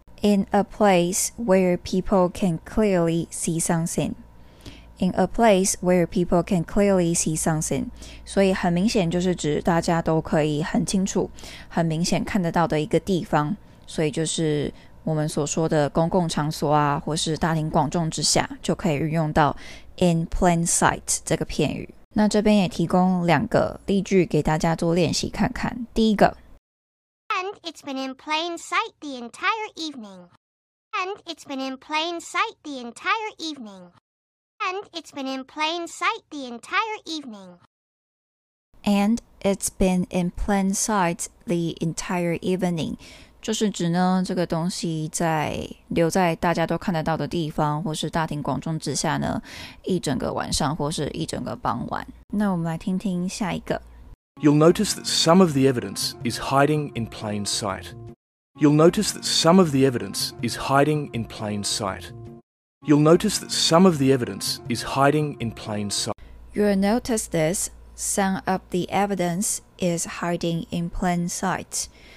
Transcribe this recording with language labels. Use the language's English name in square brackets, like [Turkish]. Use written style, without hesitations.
[English] In a place where people can clearly see something， [Chinese] In a place where people can clearly see something， 所以很明显就是指大家都可以很清楚很明显看得到的一个地方，所以就是我们所说的公共场所啊，或是大庭广众之下，就可以运用到 in plain sight 这个片语。那这边也提供两个例句给大家做练习看看。第一个 [English] ，And it's been in plain sight the entire evening. And it's been in plain sight the entire evening. And it's been in plain sight the entire evening. And it's been in plain sight the entire evening. [Chinese] 就是指呢，这个东西在留在大家都看得到的地方，或是大庭广众之下呢，一整个晚上或是一整个傍晚。那我们来听听下一个。 [English] You'll notice that some of the evidence is hiding in plain sight. You'll notice that some of the evidence is hiding in plain sight. You'll notice that some of the evidence is hiding in plain sight. You'll notice this. Some of the evidence is hiding in plain sight.